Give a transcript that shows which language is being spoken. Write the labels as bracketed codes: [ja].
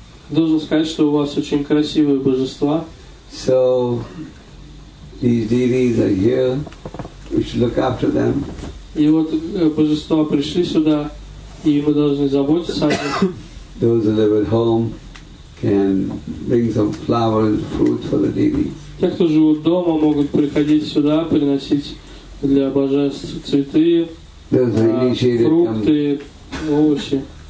[ru] Должен сказать, что у вас очень красивые божества. [en] So these deities are here. We should look after them. [ru] И вот божества пришли сюда, и мы должны заботиться о них. [en] Those who live at home can bring some flowers, fruit for the deities. [ru] Те, кто живут дома, могут приходить сюда, приносить для божеств цветы, фрукты, овощи.